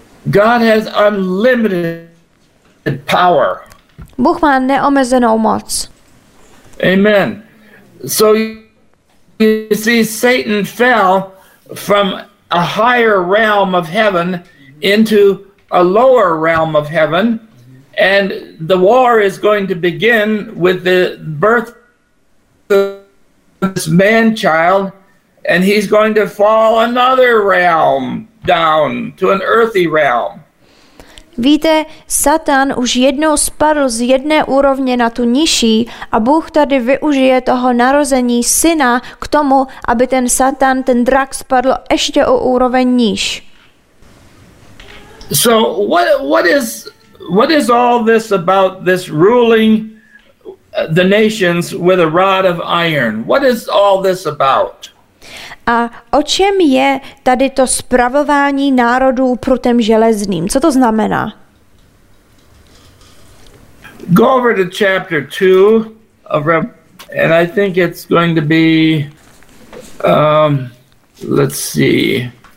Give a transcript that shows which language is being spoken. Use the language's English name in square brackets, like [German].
[English] God has unlimited power. [Czech] Bůh má neomezenou moc. [English] Amen. So you see, Satan fell from a higher realm of heaven into a lower realm of heaven, and the war is going to begin with the birth of this man-child, and he's going to fall another realm down to an earthy realm. [Czech] Víte, Satan už jednou spadl z jedné úrovně na tu nižší a Bůh tady využije toho narození syna k tomu, aby ten Satan, ten drak, spadl ještě o úroveň níž. [English] So what is all this about this ruling the nations with a rod of iron? What is all this about? [Czech] A o čem je tady to spravování národů prutem železným? Co to znamená? [English] Go over to chapter 2 of and I think it's going to be let's see.